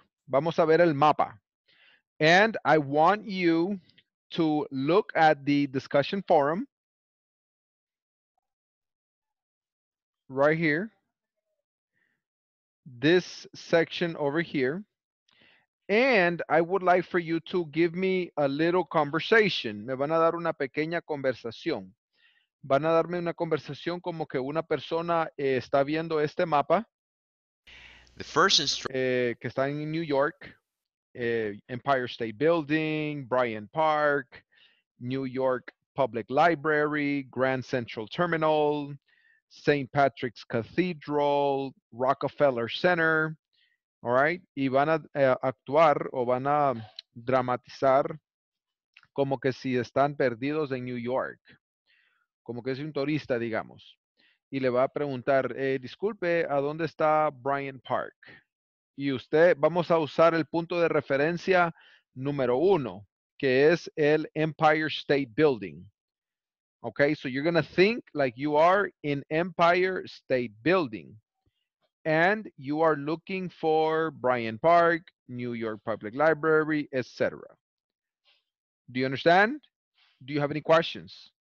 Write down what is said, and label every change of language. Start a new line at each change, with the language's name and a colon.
Spanish: Vamos a ver el mapa.
English: And I want you to look at the discussion forum. Right here, this section over here, and I would like for you to give me a little conversation.
Spanish: Me van a dar una pequeña conversación. Van a darme una conversación como que una persona está viendo este mapa.
English: The first instruction.
Spanish: Que está en New York, Empire State Building, Bryant Park, New York Public Library, Grand Central Terminal, St.
English: Patrick's Cathedral, Rockefeller Center, all right?
Spanish: Y van a actuar o van a dramatizar como que si están perdidos en New York. Como que es un turista, digamos. Y le va a preguntar, disculpe, ¿a dónde está Bryant Park? Y usted, vamos a usar el punto de referencia número uno, que es el Empire State Building.
English: Okay, so you're going to think like you are in Empire State Building. and you are looking for Bryant Park, New York Public Library, etc. Do you understand? Do you have any questions?